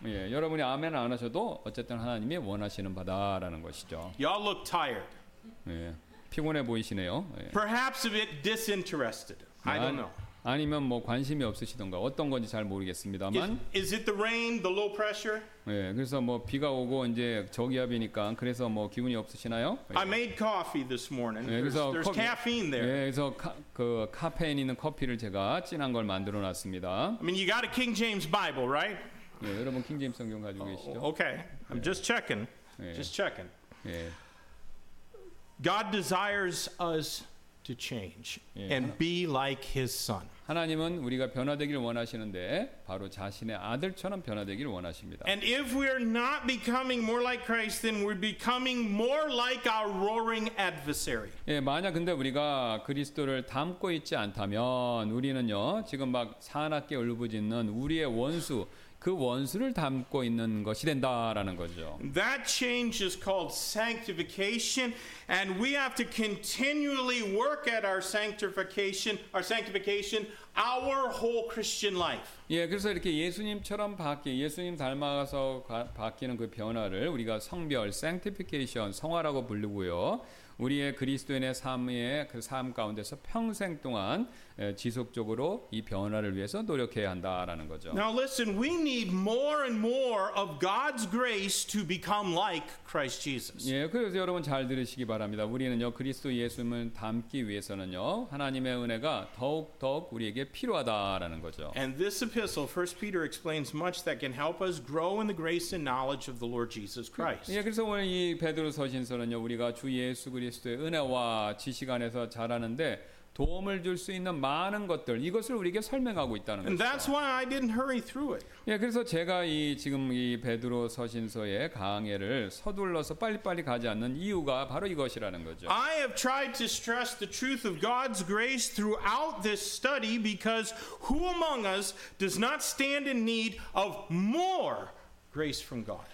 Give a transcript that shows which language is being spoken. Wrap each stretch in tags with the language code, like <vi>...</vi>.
<ko>예, 여러분이 아멘 안 하셔도 어쨌든 하나님이 원하시는 바다라는 것이죠.</ko> <en>Y'all look tired.</en> <ko>예, 피곤해 보이시네요. 예.</ko> <en>Perhaps a bit disinterested. I don't know.</en> <ko>아니면 뭐 관심이 없으시던가 어떤 건지 잘 모르겠습니다만</ko> <en>is it the rain, the low pressure?</en> <ko>예, 그래서 뭐 비가 오고 이제 저기압이니까 그래서 뭐 기운이 없으시나요? 예.</ko> <en>I made coffee this morning.</en> <ko>예,</ko> <en>there's caffeine there.</en> <ko>예, 그래서 그 카페인 있는 커피를 제가 진한 걸 만들어 놨습니다.</ko> <en>I mean you got a King James Bible, right?</en> <ko>예, 여러분 킹 제임스 성경 가지고 계시죠?</ko> <en>Okay. I'm just checking.</en> <ko>예.</ko> <en>Just checking.</en> <ko>예.</ko> <en>God desires us to change and be like his son.</en> <ko>하나님은 우리가 변화되기를 원하시는데 바로 자신의 아들처럼 변화되기를 원하십니다.</ko> <en>And if we are not becoming more like Christ then we're becoming more like our roaring adversary.</en> <ko>예, 만약 근데 우리가 그리스도를 닮고 있지 않다면 우리는요. 지금 막 사납게 울부짖는 우리의 원수 그 원수를 닮고 있는 것이 된다라는 거죠.</ko> <en>That change is called sanctification, and we have to continually work at our sanctification, our whole Christian life.</en> <ko>예, 그래서 이렇게 예수님처럼 바뀌, 예수님 닮아서 바뀌는 그 변화를 우리가 성별, sanctification, 성화라고 부르고요. 우리의 그리스도인의 삶의 그 삶 가운데서 평생 동안 지속적으로 이 변화를 위해서 노력해야 한다라는 거죠.</ko> <en>Now listen, we need more and more of God's grace to become like Christ Jesus.</en> <ko>예, 그래서 여러분 잘 들으시기 바랍니다. 우리는요 그리스도 예수님을 닮기 위해서는요 하나님의 은혜가 더욱 더욱 우리에게 필요하다라는 거죠.</ko> <en>And this epistle, 1 Peter, explains much that can help us grow in the grace and knowledge of the Lord Jesus Christ.</en> <ko>예, 그래서 오늘 이 베드로 서신서는요 우리가 주 예수 그리스도의 은혜와 지식 안에서 자라는데 도움을 줄 수 있는 많은 것들 이것을 우리에게 설명하고 있다는 것이죠.</ko> <en>And that's why I didn't hurry through it.</en> <ko>예, 그래서 제가 이 지금 이 베드로 서신서의 강해를 서둘러서 빨리빨리 가지 않는 이유가 바로 이것이라는 거죠.</ko> <en>I have tried to stress the truth of God's grace throughout this study because who among us does not stand in need of more grace from God.</en>